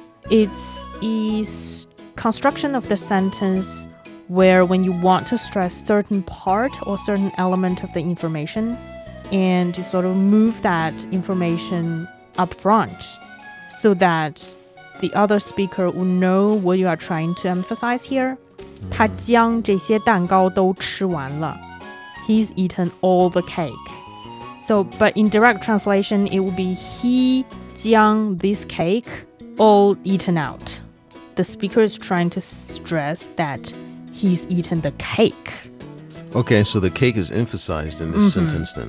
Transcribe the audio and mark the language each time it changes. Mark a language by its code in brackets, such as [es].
[en] It's a construction of the sentence where when you want to stress certain part or certain element of the information, and you sort of move that information up front so that the other speaker will know what you are trying to emphasize here. [zh] 他将这些蛋糕都吃完了. [en] He's eaten all the cake. So, but in direct translation, it would be he jiāng this cake all eaten out. The speaker is trying to stress that he's eaten the cake. Okay, so the cake is emphasized in this sentence then.